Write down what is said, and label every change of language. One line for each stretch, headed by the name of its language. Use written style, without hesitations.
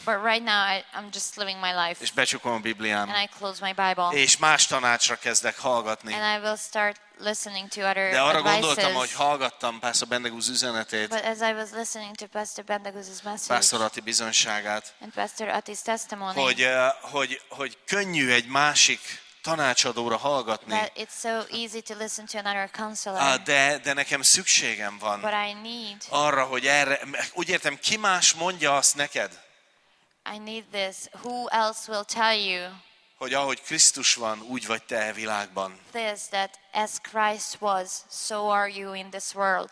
English: But right now I'm just living my life.
Hungarian: És becsukom a Bibliám.
English: And I close my Bible.
Hungarian: És más tanácsra kezdek hallgatni.
English: And I will start listening to other
Hungarian: De arra
English: advices.
Hungarian: Gondoltam, hogy hallgattam Pastor Bendegúz üzenetét.
English: But as I was listening to Pastor Bendegúz's message.
Hungarian: Pastor Ati bizonyságát.
English: And Pastor Ati's testimony.
Hungarian: Hogy könnyű egy másik tanácsadóra hallgatni.
English: That it's so easy to listen to another counselor.
Hungarian: De nekem szükségem van.
English: But I need.
Hungarian: Arra, hogy erre, úgy értem, ki más mondja azt neked?
English: I need this. Who else will tell you?
Hungarian: Hogy ahogy Krisztus van, úgy vagy te a világban.
English: This, that as Christ was, so are you in this world.